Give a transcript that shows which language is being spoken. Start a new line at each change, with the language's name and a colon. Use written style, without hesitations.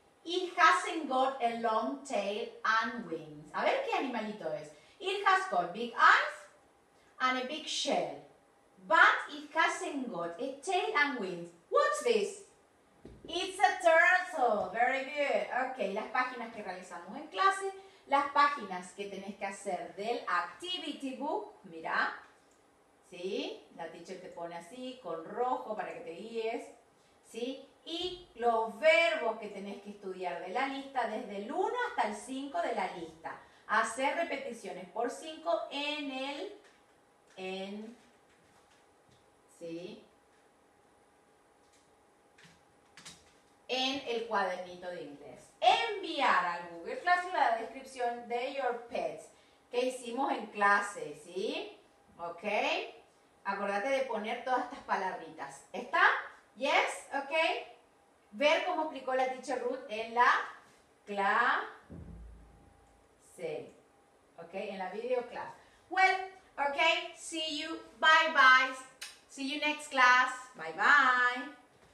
English: It hasn't got a long tail and wings.
Spanish: A ver qué animalito es.
English: It has got big eyes and a big shell, but it hasn't got a tail and wings. What's this? It's a turtle. Very good.
Spanish: Okay, las páginas que realizamos en clase, las páginas que tenés que hacer del activity book, mira, ¿sí? La teacher te pone así, con rojo para que te guíes, ¿sí? Y los verbos que tenés que estudiar de la lista, desde el 1 hasta el 5 de la lista. Hacer repeticiones por 5 en el... En, ¿sí? En el cuadernito de inglés. Enviar a Google Classroom la descripción de
English: your pets
Spanish: que hicimos en clase, ¿sí? ¿Ok? Acordate de poner todas estas palabritas. ¿Está?
English: ¿Yes?
Spanish: ¿Ok? Ver cómo explicó la teacher Ruth en la clase. ¿Ok? En la video class.
English: Well, okay, see you. Bye-bye. See you next class. Bye-bye.